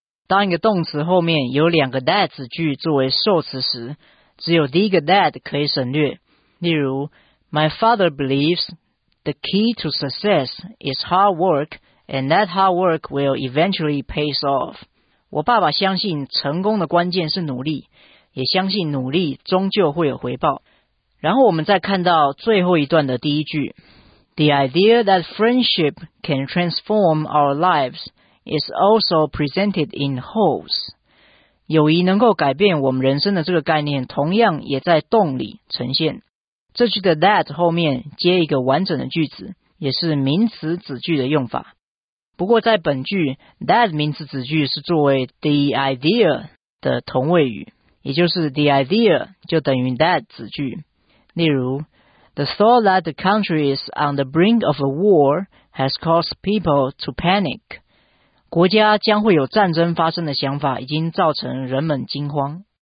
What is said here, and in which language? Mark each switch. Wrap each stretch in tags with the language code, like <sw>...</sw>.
<zh>当一个动词后面有两个 that 子句作为受词时，只有第一个 that 可以省略，</zh> <en>例如 My father believes the key to success is hard work and that hard work will eventually pay off.</en> <zh>我爸爸相信成功的关键是努力，也相信努力终究会有回报。然后我们再看到最后一段的第一句，</zh> <en>The idea that friendship can transform our lives is also presented in Holes.</en> <zh>友谊能够改变我们人生的这个概念同样也在洞里呈现。这句的 that 后面接一个完整的句子，也是名词子句的用法。不过在本句 that 名词子句是作为 the idea 的同位语，也就是 the idea 就等于 that 子句。</zh> <en>例如 The thought that the country is on the brink of a war has caused people to panic.</en> <zh>国家将会有战争发生的想法已经造成人们惊慌。</zh>